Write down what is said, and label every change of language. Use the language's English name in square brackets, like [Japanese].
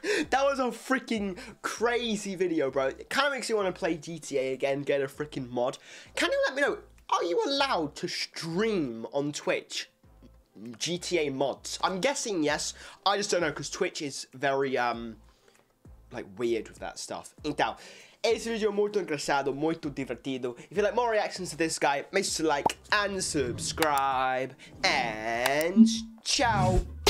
[English] That was a freaking crazy video, bro. It kind of makes you want to play GTA again, get a freaking mod. Can you let me know... Are you allowed to stream on Twitch GTA mods? I'm guessing yes. I just don't know because Twitch is very, like, weird with that stuff. [Portuguese] Então, esse vídeo é muito engraçado, muito divertido. [English] If you like more reactions to this guy, make sure to like and subscribe. And ciao!